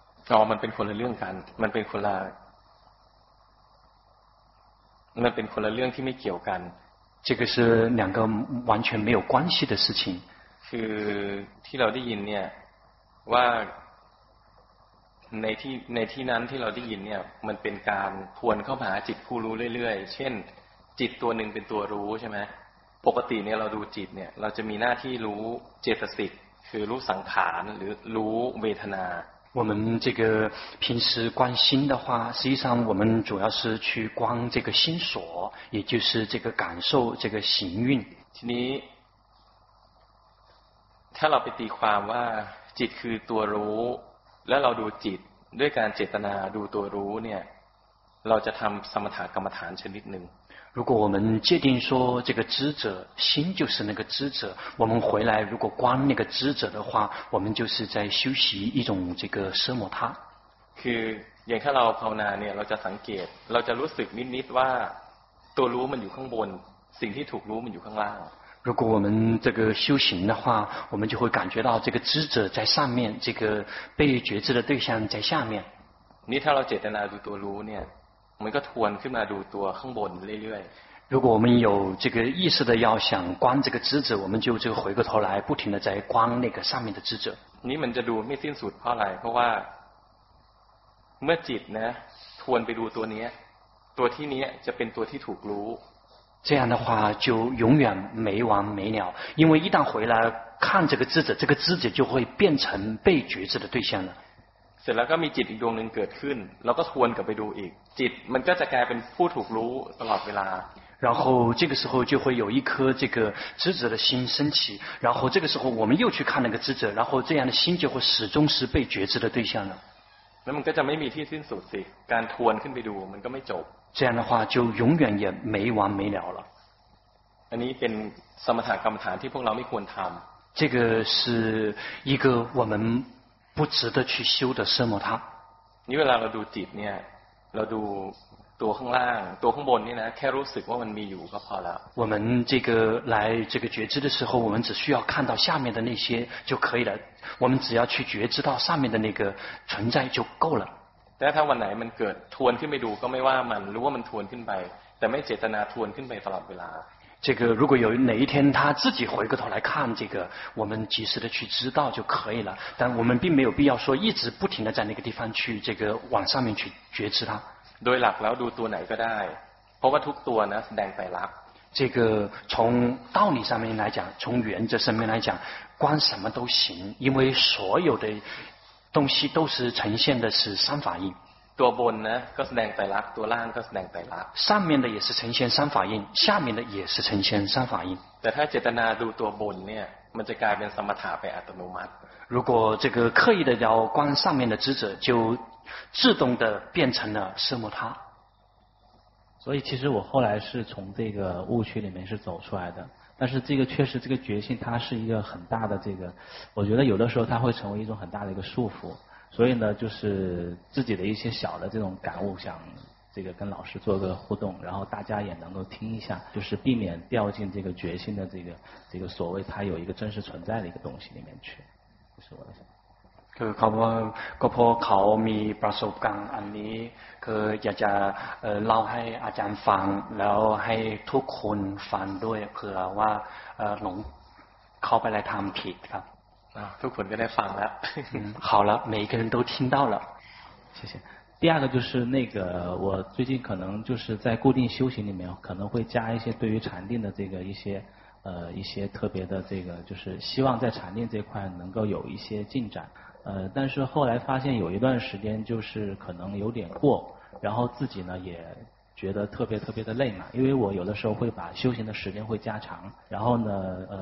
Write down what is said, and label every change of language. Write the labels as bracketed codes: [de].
[th] อ๋อมันเป็นคนละเรื่องกันมันเป็นคนละเรื่องที่ไม่เกี่ยวกัน [zh] 这个是两个完全没有关系的事情 [th] คือที่เราได้ยินเนี่ยว่าในที่นั้นที่เราได้ยินเนี่ยมันเป็นการทวนเข้ามาหาจิตผู้รู้เรื่อยๆเช่นจิตตัวหนึ่งเป็นตัวรู้ใช่ไหมปกติเนี่ยเราดูจิตเนี่ยเราจะมีหน้าที่รู้เจตสิกคือรู้สังขารหรือรู้เวทนา [zh] 我们这个平时观心的话实际上我们主要是去观这个心所也就是这个感受这个行运 [th] ทีนี้ถ้าเราไปตีความว่าจิตคือตัวรู้แล้วเราดูจิตด้วยการเจตนาดูตัวรู้เนี่ยเราจะทำสมถกรรมฐานชนิดนึง [zh] 如果我们界定说这个知者心就是那个知者我们回来如果观那个知者的话我们就是在修习一种这个奢摩他 [th] คืออย่างถ้าเราภาวนาเนี่ยเราจะสังเกตเราจะรู้สึกนิดๆว่าตัวรู้มันอยู่ข้างบนสิ่งที่ถูกรู้มันอยู่ข้างล่าง [zh] 如果我们这个修行的话我们就会感觉到这个知者在上面这个被觉知的对象在下面 [th] 你ถ้าเราเจตนาดูตัวรู้เนี่ยมันก็ทวนขึ้นมาดูตัวข้างบนเรื่อย [zh] ๆ如果我们有这个意识的要想观这个知者我们就这个回过头来不停的在观那个上面的知者 [th] นี่มันจะดูไม่สิ้นสุดเพราะอะไรเพราะว่าเมื่อจิตนะทวนไปดูตัวนี้ตัวที่นี้จะเป็นตัวที่ถูกรู้ [zh] 这样的话就永远没完没了因为一旦回来看这个知者这个知者就会变成被觉知的对象了 [th] เสร็จแล้วก็มีจิตอีกดวงนึงเกิดขึ้นเราก็ทวนกลับไปดูอีกจิตมันก็จะกลายเป็นผู้ถูกรู้ตลอดเวลา [zh] 然后这个时候就会有一颗这个知者的心升起然后这个时候我们又去看那个知者然后这样的心就会始终是被觉知的对象了 [th] 那么มันก็จะไม่มีที่สิ้นสุดสิการทวนขึ้นไปดูมันก็ไม่จบ [zh] 这样的话就永远也没完没了了 [th] อันนี้เป็นสมถะกรรมฐานที่พวกเราไม่ควรทำ [zh] 这个是一个我们不值得去修的奢摩他 [th] นี่เวลาเราดูจิตเนี่ยเราดูตัวข้างล่างตัวข้างบนนี่นะแค่รู้สึกว่ามันมีอยู่ก็พอแล้ว [zh] 我们这个来这个觉知的时候我们只需要看到下面的那些就可以了我们只要去觉知到上面的那个存在就够了 [th] แต่ถ้าวันไหนมันเกิดทวนขึ้นไปดูก็ไม่ว่ามันรู้ว่ามันทวนขึ้นไปแต่ไม่เจตนาทวนขึ้นไปตลอดเวลา [zh] 这个如果有哪一天他自己回过头来看这个我们及时的去知道就可以了但我们并没有必要说一直不停的在那个地方去这个往上面去觉知它 [th] โดยหลักแล้วดูตัวไหนก็ได้เพราะว่าทุกตัวนะแสดงไตรลักษณ์ [zh] 这个从道理上面来讲从原则上面来讲观什么都行因为所有的东西都是呈现的是三法印。 [th] ตัวบนนะก็แสดงไตรลักษณ์ตัวล่างก็แสดงไตรลักษณ์ [zh] 上面的也是呈现三法印下面的也是呈现三法印 [th] แต่ถ้าเจตนาดูตัวบนเนี่ยมันจะกลายเป็นสมถะไปอัตโนมัติ [zh] 如果这个刻意的要观上面的知者就自动的变成了色摩他所以其实我后来是从这个误区里面是走出来的但是这个确实这个觉性它是一个很大的这个我觉得有的时候它会成为一种很大的一个束缚所以呢就是自己的一些小的这种感悟想这个跟老师做个互动然后大家也能够听一下就是避免掉进这个觉性的这个所谓它有一个真实存在的一个东西里面去这是我的想 [th] คือเขาบอกว่าก็เพราะเขามีประสบการณ์อันนี้คืออยากจะเล่าให้อาจารย์ฟังแล้วให้ทุกคนฟังด้วยเผื่อว่าหลงเข้าไปอะไรทำผิดครับ ทุกคนก็ได้ฟังแล้ว [zh] 好了每一个人都听到了谢谢第二个就是那个我最近可能就是在固定修行里面可能会加一些对于禅定的这个一些特别的这个就是希望在禅定这块能够有一些进展但是后来发现有一段时间就是可能有点过然后自己呢也觉得特别特别的累嘛因为我有的时候会把修行的时间会加长然后呢